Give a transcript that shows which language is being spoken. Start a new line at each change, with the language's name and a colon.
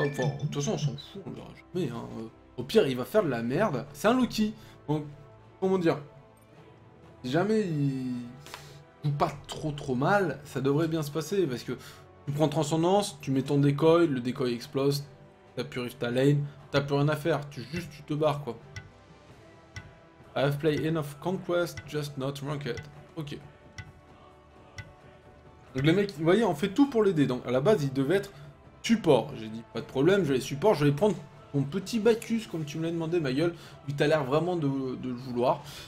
French: Enfin, de toute façon, on s'en fout, on verra jamais. Hein. Au pire, il va faire de la merde. C'est un Loki. Donc, comment dire? Si jamais il joue pas trop mal, ça devrait bien se passer. Parce que tu prends transcendance, tu mets ton décoil, le décoil explose, tu purifies ta lane, t'as plus rien à faire. Tu te barres, quoi.
English: I have played enough conquest, just not ranked. Ok.
French: Donc les mecs, vous voyez, on fait tout pour l'aider. Donc à la base, il devait être support. J'ai dit, pas de problème, je vais les support. Je vais prendre ton petit Bacchus, comme tu me l'as demandé, ma gueule. Il t'a l'air vraiment de le vouloir.